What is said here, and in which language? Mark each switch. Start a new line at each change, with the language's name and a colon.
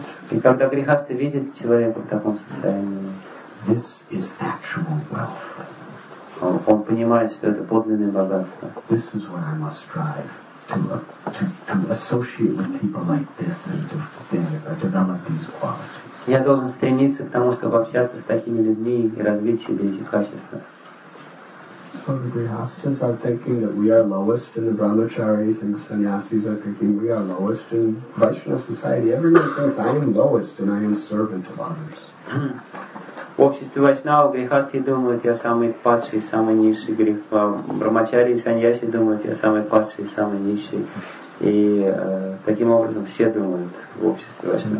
Russian: И когда грехаста видит человека в таком состоянии,
English: this is actual wealth.
Russian: Он понимает, что это подлинное богатство.
English: This is what I must strive to associate with people like this and to develop these qualities.
Russian: Я должен стремиться к тому, чтобы общаться с такими людьми и развить себе эти качества.
English: So the grihasthas are thinking that we are lowest in the brahmacharis, and the sannyasis are thinking we are lowest in Vaishnava society. Everyone thinks I am lowest and I am servant of others.
Russian: В обществе Вайшнава грихасты думают, я самый падший, самый низший грех. В брахмачарии и саньяси думают, я самый падший, самый низший. И таким образом все думают в обществе